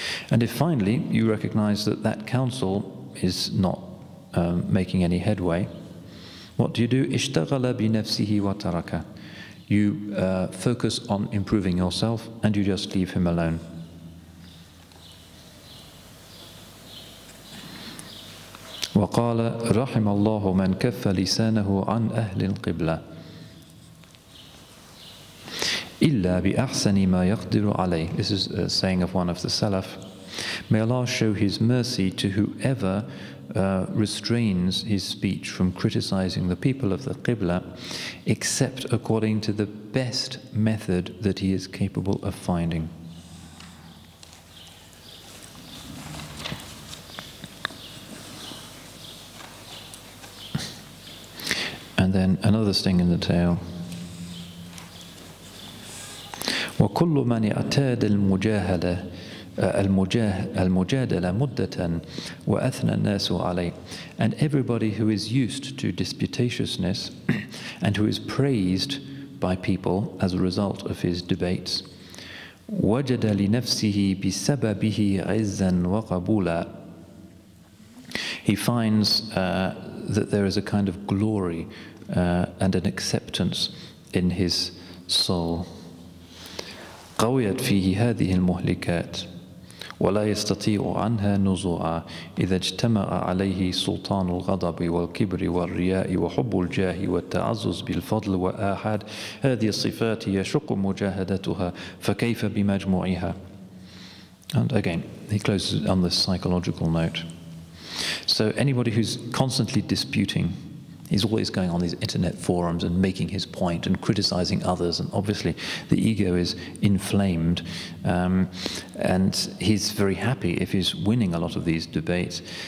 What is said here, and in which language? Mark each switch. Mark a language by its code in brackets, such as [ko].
[en] And if finally you recognize that that counsel is not making any headway, what do you do? [ar] اشتغل بنفسه وترك. [en] You focus on improving yourself and you just leave him alone. [ar] وقال رحم الله من كف لسانه عن أهل القبلة إلا بأحسن ما يقدر عليه. [en] This is a saying of one of the Salaf. May Allah show His mercy to whoever restrains his speech from criticizing the people of the Qibla, except according to the best method that he is capable of finding. And then another sting in the tail. [ar] وَكُلُّ مَنِ اَعْتَادَ الْمُجَاهَدَةِ المجادلة مدة وأثنى الناس عليه. [en] And everybody who is used to disputatiousness and who is praised by people as a result of his debates, [ar] وجد لنفسه بسببه عزا وقبولا. [en] He finds that there is a kind of glory and an acceptance in his soul. [ar] قويت فيه هذه المهلكات ولا يستطيع عنها نزوعا إذا اجتمع عليه سلطان الغضب والكبر والرياء وحب الجاه والتعزز بالفضل وآحاد هذه الصفات يشق مجاهدتها فكيف بمجموعها. [en] And again, he closes on this psychological note. So anybody who's constantly disputing, he's always going on these internet forums and making his point and criticizing others, and obviously the ego is inflamed, and he's very happy if he's winning a lot of these debates.